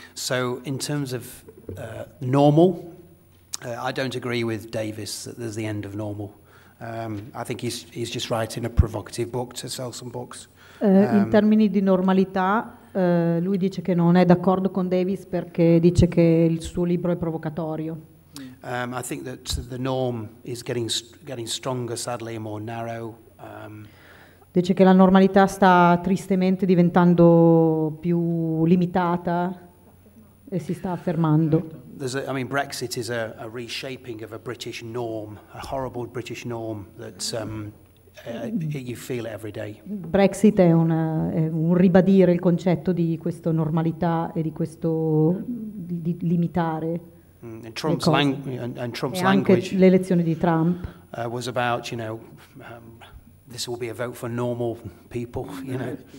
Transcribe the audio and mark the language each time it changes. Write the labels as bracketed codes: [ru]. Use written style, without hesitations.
[en] So in terms of normal, I don't agree with Davis that there's the end of normal. I think he's just writing a provocative book to sell some books. [it] In termini di normalità, lui dice che non è d'accordo con Davis perché dice che il suo libro è provocatorio. [en] I think that the norm is getting stronger, sadly, and more narrow. [it] Dice che la normalità sta tristemente diventando più limitata e si sta affermando. [en] Brexit is a reshaping of a British norm, a horrible British norm that you feel it every day. [it] Brexit è un ribadire il concetto di questa normalità e di questo di limitare. [en] And Trump's and Trump's [it] e anche [en] language, [it] l'elezione di Trump [en] was about, you know, this will be a vote for normal people, you know.